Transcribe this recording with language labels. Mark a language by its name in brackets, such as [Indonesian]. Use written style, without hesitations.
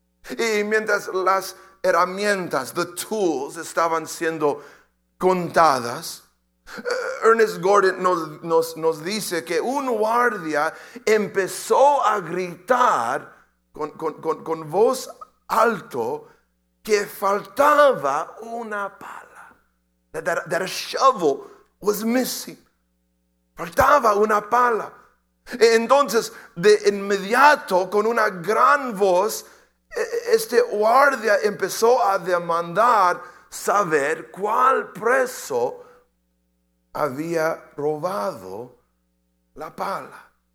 [Spanish] Y mientras las herramientas, [English] the tools, [Spanish] estaban siendo contadas, Ernest Gordon nos dice que un guardia empezó a gritar con voz alto que faltaba una pala. [English] That a shovel was missing. [Spanish] Faltaba una pala. Entonces, de inmediato, con una gran voz, este guardia empezó a demandar saber cuál preso había robado la pala.